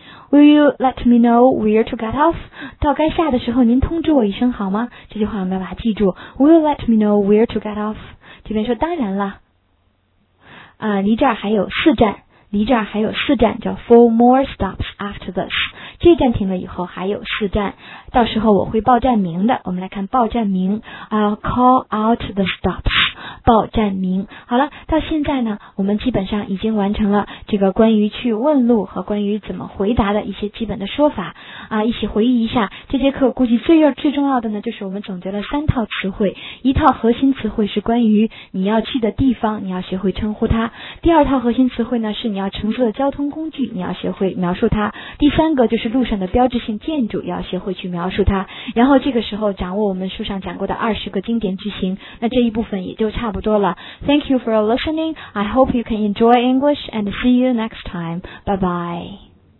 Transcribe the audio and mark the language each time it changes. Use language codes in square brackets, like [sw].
[en] Will you let me know where to get off? [zh] 到该下的时候您通知我一声好吗？这句话我们要把它记住。 [en] Will you let me know where to get off? [zh] 这边说当然了。离这儿还有四站。离这儿还有四站，叫 [en] 4 more stops after this。 [zh] 这站停了以后还有四站，到时候我会报站名的。我们来看报站名， [en] I'll call out the stops， [zh] 报站名。好了，到现在呢，我们基本上已经完成了这个关于去问路和关于怎么回答的一些基本的说法啊，一起回忆一下。这节课估计最重要的呢，就是我们总结了三套词汇，一套核心词汇是关于你要去的地方，你要学会称呼它；第二套核心词汇呢，是你要乘坐的交通工具，你要学会描述它；第三个就是路上的标志性建筑，要学会去描述它。然后这个时候掌握我们书上讲过的20个经典句型，那这一部分也就差不多了。 [en] Thank you for listening. I hope you can enjoy English and see you next time. Bye bye.